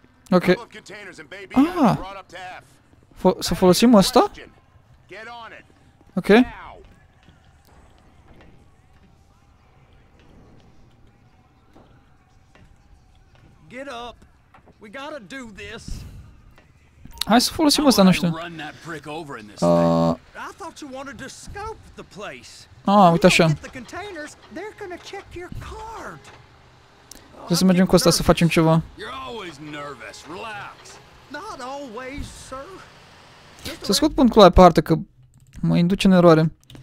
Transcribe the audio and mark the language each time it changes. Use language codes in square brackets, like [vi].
[ro] Ok. Ah! Să folosim ăsta? Ok. [en] Get up! We gotta do this! [ro] Hai să folosim ăsta, nu știu. [en] I thought you wanted to scope the place. [ro] Ah, uite așa. [en] The containers, they're gonna check your card. [ro] Trebuie să mergem cu ăsta să facem ceva. [en] You're always nervous. Relax. Not always, sir. [ro] Să scot punctul ăla pe hartă că mă induce în eroare.